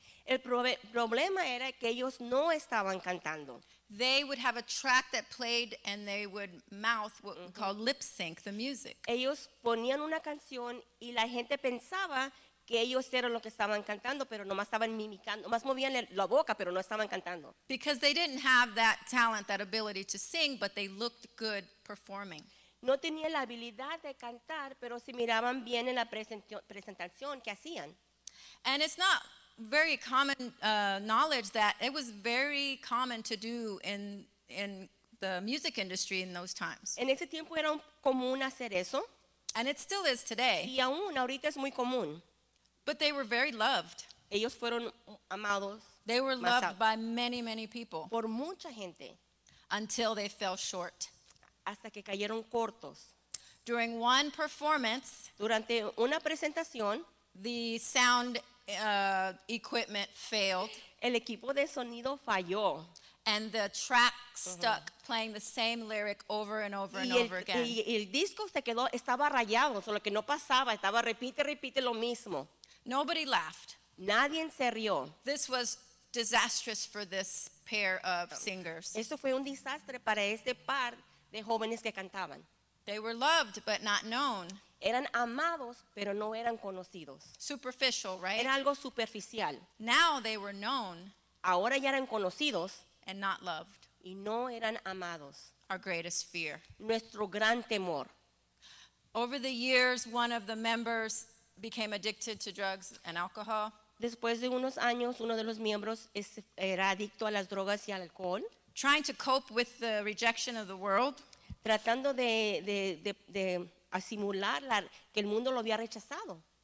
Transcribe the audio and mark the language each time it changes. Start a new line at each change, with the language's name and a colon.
Spanish: El problema era que ellos no estaban cantando.
English: They would have a track that played and they would mouth what we call lip sync, the music.
Spanish: Ellos ponían una canción y la gente pensaba que ellos eran lo que estaban cantando, pero nomás estaban mimicando, nomás movían la boca, pero no estaban cantando.
English: Because they didn't have that talent, that ability to sing, but they looked good performing.
Spanish: No tenían la habilidad de cantar, pero se miraban bien en la presentación que hacían.
English: And it's not very common knowledge that it was very common to do in the music industry in those times.
Spanish: En ese tiempo era común hacer eso.
English: And it still is today.
Spanish: Y aún ahorita es muy común.
English: But they were very loved.
Spanish: Ellos fueron amados.
English: They were loved by many, many people.
Spanish: Por mucha gente.
English: Until they fell short.
Spanish: Hasta que cayeron cortos.
English: During one performance,
Spanish: durante una presentación,
English: the sound equipment failed.
Spanish: El equipo de sonido falló.
English: And the track stuck playing the same lyric over and over and over again.
Spanish: Y el disco se quedó, estaba rayado, solo que no pasaba, estaba repite, repite lo mismo.
English: Nobody laughed.
Spanish: Nadie se rió.
English: This was disastrous for this pair of singers.
Spanish: Eso fue un desastre para este par de jóvenes que cantaban.
English: They were loved but not known.
Spanish: Eran amados pero no eran conocidos.
English: Superficial, right?
Spanish: Era algo superficial.
English: Now they were known.
Spanish: Ahora ya eran conocidos.
English: And not loved.
Spanish: Y no eran amados.
English: Our greatest fear.
Spanish: Nuestro gran temor.
English: Over the years, one of the members became addicted to drugs and alcohol.
Spanish: Después de unos años, uno de los miembros era adicto a las drogas y al alcohol.
English: Trying to cope with the rejection of the world.
Spanish: Tratando de asimilar que el mundo lo había rechazado.